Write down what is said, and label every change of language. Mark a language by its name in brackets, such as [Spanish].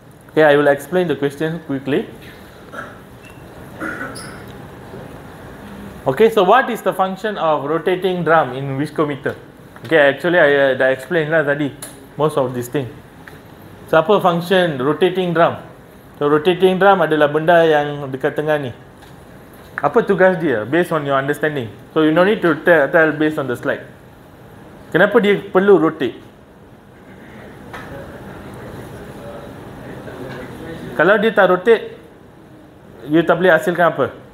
[English] Okay, I will explain the question quickly. Okay, so what is the function of rotating drum in viscometer? Okay, actually I explained lah tadi most of this thing. [Malay] So apa function rotating drum? So rotating drum adalah benda yang dekat tengah ni. Apa tugas dia? [English] Based on your understanding. So you no need to tell based on the slide. [Malay] Kenapa dia perlu rotate? Kalau dia tak rotate, you tak boleh hasilkan apa?